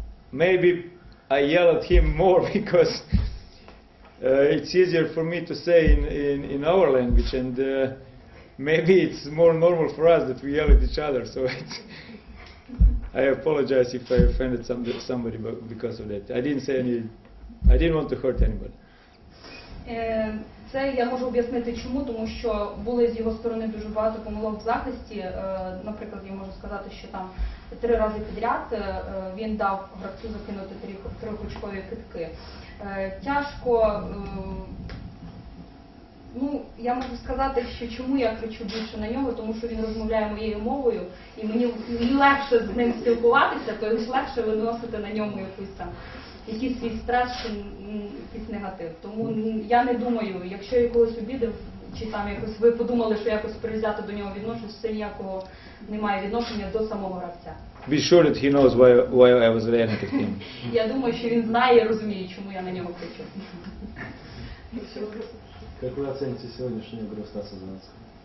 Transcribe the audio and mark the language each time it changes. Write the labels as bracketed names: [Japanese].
[English] Maybe I yell at him more because it's easier for me to say in our language, and maybe it's more normal for us that we yell at each other. So I apologize if I offended somebody because of that. I didn't want to hurt anybody. [Ukrainian] Це я можу об'яснити чому, тому що були з його сторони дуже багато помилок в захисті. Наприклад, я можу сказати, що там три рази підряд він дав гравцю закинути трьохочкові китки. Тяжко, ну, я можу сказати, що чому я кричу більше на нього, тому що він розмовляє моєю мовою, і мені легше з ним спілкуватися, то йому легше виносити на ньому якусь там. Якийсь свій стрес, якийсь негатив. Тому я не думаю, якщо я когось обідив, чи там якось ви подумали, що якось прив'язати до нього відношусь, це ніякого немає відношення до самого гравця. [English] Be sure that he knows why I was reacting to him. [Ukrainian] Я думаю, що він знає і розуміє, чому я на нього кричу. Як ви оцените сьогоднішнє ігру Стаса Завадського?